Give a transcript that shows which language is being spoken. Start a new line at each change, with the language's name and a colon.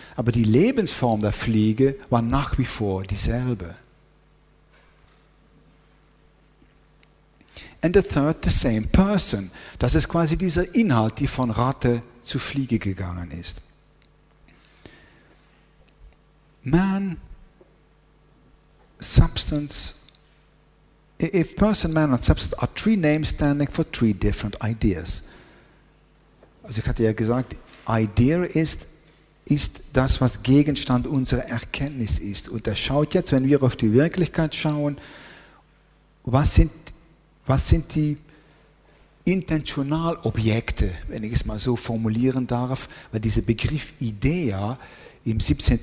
German: Aber die Lebensform der Fliege war nach wie vor dieselbe.
English: And the third, the same person.
German: Das ist quasi dieser Inhalt, die von Ratte zu Fliege gegangen ist.
English: Man, substance, if person, man and substance are three names standing for three different ideas.
German: Also ich hatte ja gesagt, Idea ist das, was Gegenstand unserer Erkenntnis ist. Und er schaut jetzt, wenn wir auf die Wirklichkeit schauen, was sind die Intentionalobjekte, wenn ich es mal so formulieren darf, weil dieser Begriff Idea im 17.